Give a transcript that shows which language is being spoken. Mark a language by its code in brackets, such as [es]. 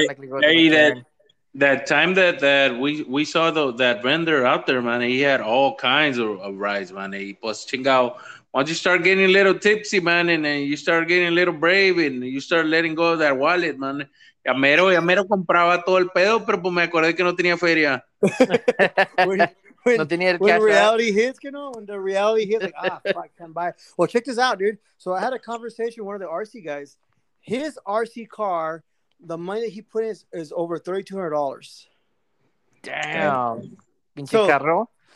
[en] That time that we saw that vendor out there, man, he had all kinds of rides, man. He was chingao. Once you start getting a little tipsy, man, and then you start getting a little brave, and you start letting go of that wallet, man. [es] Ya mero compraba todo el pedo, pero pues me acordé que no tenía feria. [en] When the reality hits, like, fuck, can't buy. Well, check this out, dude. So I had a conversation with one of the RC guys. His RC car, the money that he put in is over $3,200. Damn. [es] Pinche carro.